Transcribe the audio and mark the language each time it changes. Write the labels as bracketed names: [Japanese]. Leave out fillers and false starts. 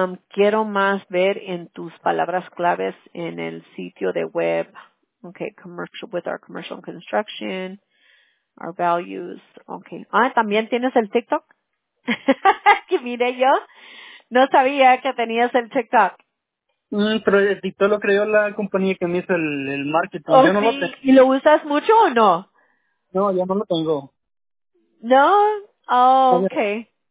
[Spanish] Quiero más ver en tus palabras claves en el sitio de web. [English] Okay, commercial with our commercial construction, our values. Okay. [Spanish] Ah, ¿también tienes el TikTok? Que mire yo. No sabía que tenías el TikTok. Pero el TikTok lo creó la compañía que me hizo el marketing. Okay. Yo no lo tengo. ¿Y lo usas mucho o no? No, yo no lo tengo. ¿No? Oh, okay.